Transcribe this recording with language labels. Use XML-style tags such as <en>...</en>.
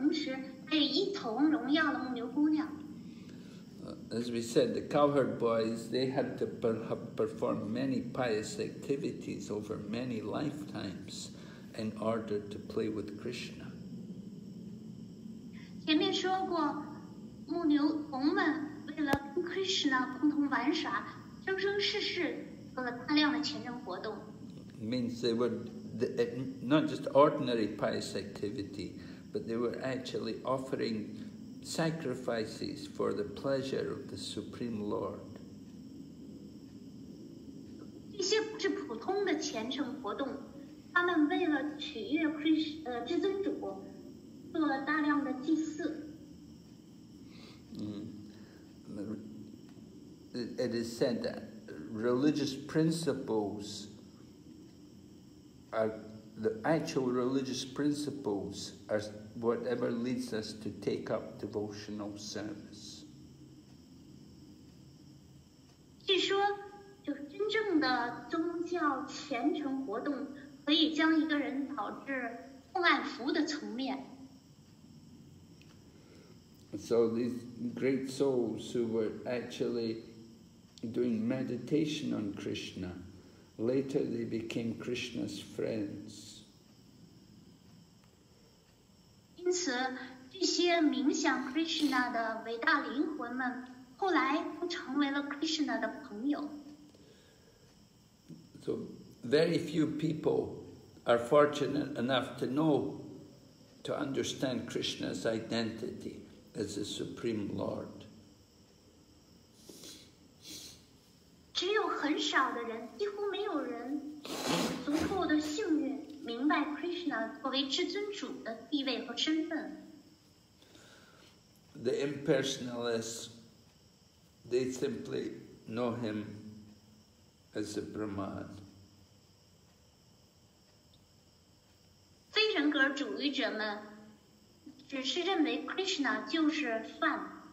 <zh>同时还有一头荣耀的牧牛姑娘。</zh> <en>As we said, the cowherd boys, they had to perform many pious activities over many lifetimes in order to play with Krishna.</en> <zh>前面说过，牧牛童们为了跟 Krishna 共同玩耍，生生世世做了大量的前程活动。</zh> <en>It means they were not just ordinary pious activity, but they were actually offering sacrifices for the pleasure of the Supreme Lord.</en> <zh>这些不是普通的虔诚活动，他们为了取悦至尊主，做了大量的祭祀。</zh> <en>It is said that religious principles are the actual religious principles are whatever leads us to take up devotional service.</en> <zh>据说，就是真正的宗教虔诚活动可以将一个人导致奉爱服的层面。</zh> <en>So these great souls who were actually doing meditation on Krishna, later they became Krishna's friends.</en> <zh>因此，这些冥想 Krishna 的伟大灵魂们，后来都成为了 Krishna 的朋友。</zh> <en>So very few people are fortunate enough to know, to understand Krishna's identity. As the Supreme Lord.</en> <zh>只有很少的人，几乎没有人足够的幸运明白 Krishna 作为至尊主的地位和身份。</zh> <en>The impersonalists, they simply know him as the Brahman.</en> <zh>非人格主义者们只是认为 Krishna 就是梵。</zh>